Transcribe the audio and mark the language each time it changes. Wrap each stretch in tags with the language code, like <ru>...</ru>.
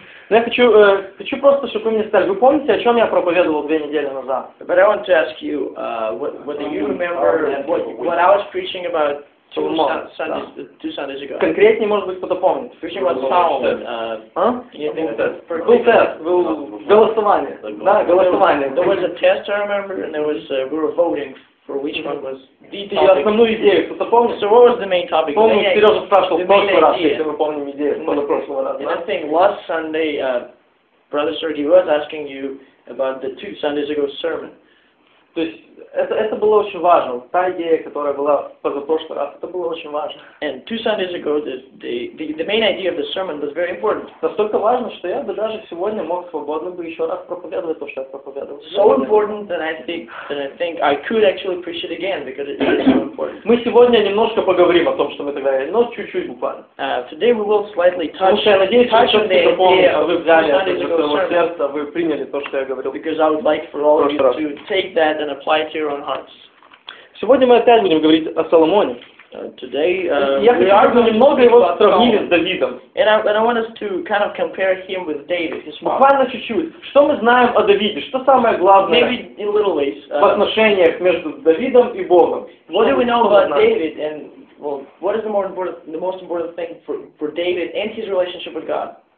<ru>Но я хочу просто, чтобы вы мне сказали, вы помните, о чем я проповедовал две недели назад?</ru> <en>But I want to ask you, whether you remember what I was preaching about. Two Sundays ago.</en> <ru>Конкретнее, может быть, кто-то помнит. Причем вот Саул. Был тест. Был голосование. Да, голосование.</ru> <en>There was a test, I remember, and we were voting for which one was the topic.</en> <ru>Основную идею кто-то помнит?</ru> <en>So what was the main topic?</en> <ru>Помню, Сережа спрашивал в прошлый раз, если мы помним идею.</ru> <en>And I think last Sunday, Brother Sergey was asking you about the two Sundays ago sermon.</en> <ru>То есть это было очень важно. Та идея, которая была позапрошлый раз, это было очень важно.</ru> <en>And two Sundays ago, the main idea of the sermon was very important.</en> <ru>Настолько важно, что я бы даже сегодня мог свободно бы еще раз проповедовать то, что я проповедовал.</ru> <en>So important that I think I could actually preach it again because it is so important.</en> <ru>Мы сегодня немножко поговорим о том, что мы тогда говорили, но чуть-чуть буквально.</ru> <en>Today we will slightly touch.</en> <ru>Потому что я надеюсь, что вы запомнили, вы взяли это из своего сердца, вы приняли то, что я говорил.</ru> <en>Because I would like for all of you to take that and apply to your own hearts.</en> <ru>Сегодня мы опять будем говорить о Соломоне.</ru> <en>Today,</en> <ru>я хочу немного его сравнить с Давидом.</ru> <en>And I want us to kind of compare him with David, his father.</en> <ru>Буквально чуть-чуть. Что мы знаем о Давиде? Что самое главное?</ru> <en>Maybe in little ways.</en> <ru>В отношениях между Давидом и Богом.</ru> <en>What do we know about David? And well, what is the most important thing for David and his relationship with God?</en>